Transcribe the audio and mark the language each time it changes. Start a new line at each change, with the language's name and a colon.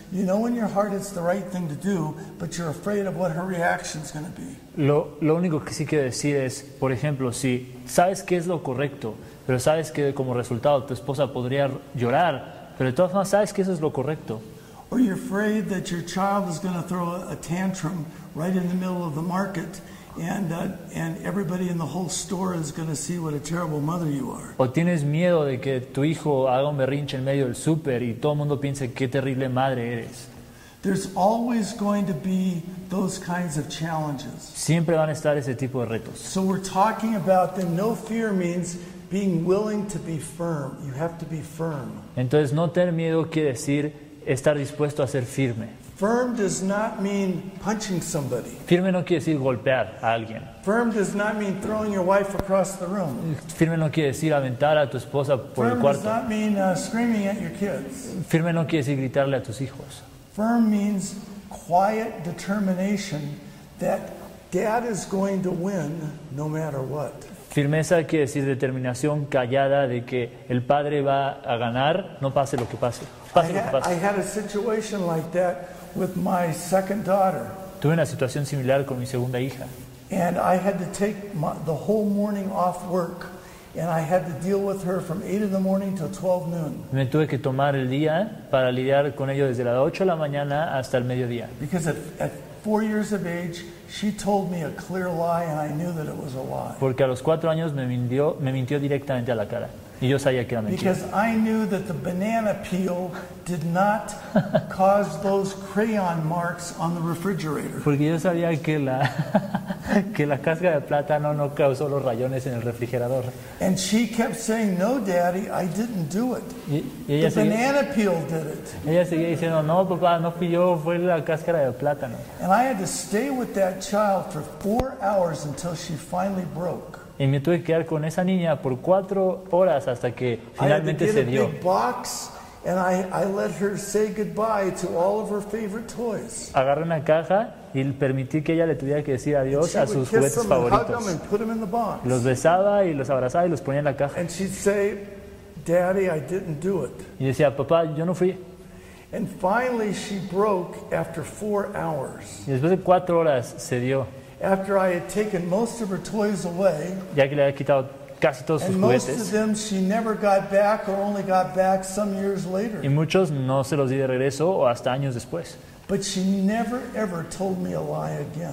English: You know in your heart it's the right thing to do, but you're afraid of what her reaction is going to be.
Spanish: Lo único que sí quiero decir es, por ejemplo, si sabes que es lo correcto, pero sabes que como resultado tu esposa podría llorar, pero de todas formas sabes que eso es lo correcto.
English: Or you're afraid that your child is going to throw a tantrum right in the middle of the market. And everybody in the whole store is going to see what a terrible mother you are.
Spanish: O tienes miedo de que tu hijo haga un berrinche en medio del súper y todo el mundo piense qué terrible madre eres.
English: There's always going to be those kinds of challenges.
Spanish: Siempre van a estar ese tipo de retos.
English: So we're talking about that no fear means being willing to be firm. You have to be firm.
Spanish: Entonces no tener miedo quiere decir estar dispuesto a ser firme.
English: Firm does not mean punching somebody.
Spanish: Firme no quiere decir golpear a alguien.
English: Firm does not mean throwing your wife across the room.
Spanish: Firme no quiere decir aventar a tu esposa por
English: firm
Spanish: el cuarto.
English: Firm does not mean screaming at your kids.
Spanish: Firme no quiere decir gritarle a tus hijos.
English: Firm means quiet determination that dad is going to win no matter what.
Spanish: Firmeza quiere decir determinación callada de que el padre va a ganar, no pase lo que pase.
English: I had a situation like that with my second daughter.
Spanish: Tuve una situación similar con mi segunda hija.
English: And I had to take the whole morning off work, and I had to deal with her from 8 in the morning till 12 noon.
Spanish: Me tuve que tomar el día para lidiar con ello desde las 8 de la mañana hasta el mediodía.
English: Because at 4 years of age, she told me a clear lie, and I knew that it was a lie.
Spanish: Porque a los 4 años me mintió directamente a la cara. Y yo sabía que era mentira.
English: Because I knew that the banana peel did not cause those crayon marks on the refrigerator.
Spanish: Porque yo sabía que la casca de plátano no causó los rayones en el refrigerador.
English: And she kept saying, "No, Daddy, I didn't do it. Banana peel did it."
Spanish: Ella seguía diciendo, "No, papá, no fui yo, fue la cáscara de plátano."
English: And I had to stay with that child for 4 hours until she finally broke.
Spanish: Y me tuve que quedar con esa niña por 4 horas hasta que finalmente se dio.
English: I had to get a big box And I let her say goodbye to all of her favorite toys.
Spanish: Agarré una caja y permití que ella le tuviera que decir adiós a sus juguetes favoritos.
English: And put them in the box.
Spanish: Los besaba y los abrazaba y los ponía en la caja.
English: And she'd say, "Daddy, I didn't do it."
Spanish: Y decía, papá, yo no fui.
English: And finally she broke after 4 hours.
Spanish: Y después de 4 horas cedió.
English: After I had taken most of her toys away.
Spanish: Ya que le había quitado casi todos sus juguetes.
English: And most of them she never got back or only got back some years later.
Spanish: Y muchos no se los di de regreso o hasta años después.
English: But she never ever told me a lie again.